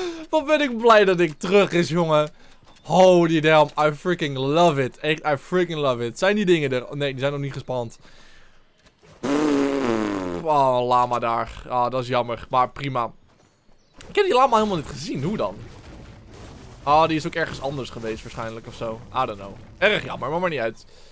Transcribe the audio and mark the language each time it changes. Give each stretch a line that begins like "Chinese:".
Dutch: Wat ben ik blij dat ik terug is, jongen.
English: Holy damn, I freaking love it.
Dutch: Echt,
English: I freaking love it.
Dutch: Zijn die dingen er? Nee, die zijn nog niet gespand. Oh, lama daar. Ah, dat is jammer, maar prima. Ik heb die lama helemaal niet gezien, hoe dan? Ah, die is ook ergens anders geweest waarschijnlijk of zo.
English: I don't know.
Dutch: Erg jammer, maar niet uit.